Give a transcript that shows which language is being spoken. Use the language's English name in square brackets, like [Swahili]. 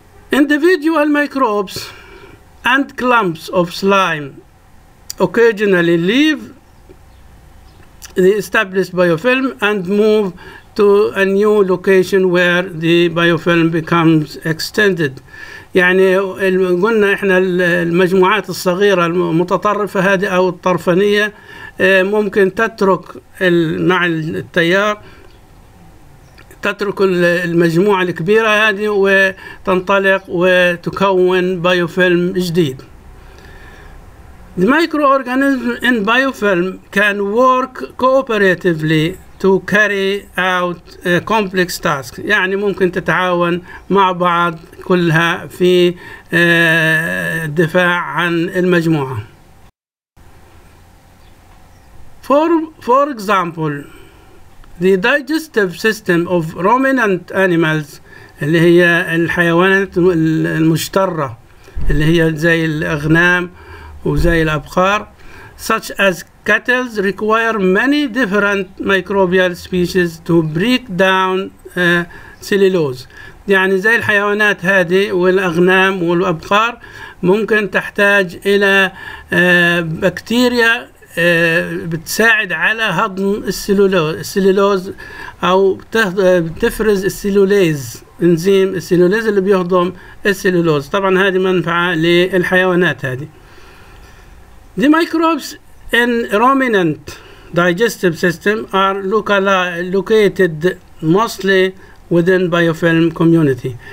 [English] Individual microbes and clumps of slime occasionally leave the established biofilm and move to a new location where the biofilm becomes extended. [Arabic] يعني قلنا احنا المجموعات الصغيرة المتطرفة هذه او الطرفانية ممكن تترك مع التيار تترك المجموعة الكبيرة هذه وتنطلق وتكون بيوفيلم جديد. [English] The microorganism in biofilm can work cooperatively to carry out complex tasks. [Arabic] يعني ممكن تتعاون مع بعض كلها في الدفاع عن المجموعة. [English] For example, the digestive system of ruminant animals, [Arabic] اللي هي الحيوانات المشترة اللي هي زي الأغنام وزي الأبقار, [English] such as cattle require many different microbial species to break down cellulose. [Arabic] يعني زي الحيوانات هذه والأغنام والأبقار ممكن تحتاج إلى بكتيريا بتساعد على هضم السيلولوز أو بتفرز السيلوليز إنزيم السيلوليز اللي بيهضم السيلولوز. طبعا هذه منفعة للحيوانات هذه. [English] The microbes in ruminant digestive system are located mostly within biofilm community.